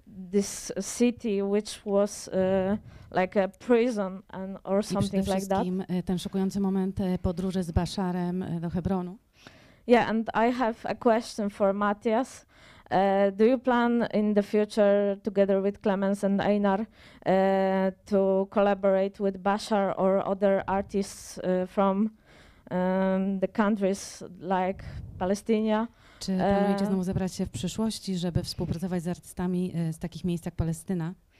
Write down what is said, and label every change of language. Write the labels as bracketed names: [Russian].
[English] this city, which was like a prison and or something like that. [Polish] Ten szokujący moment podróży z Basharem do Hebronu. [English] Yeah, and I have a question for Matthias. Do you plan in the future, together with Clemens and Einar, to collaborate with Bashar or other artists from the countries like Palestine? [Polish] Czy planujecie znowu zebrać się w przyszłości, żeby współpracować z artystami z takich miejsc jak Palestyna?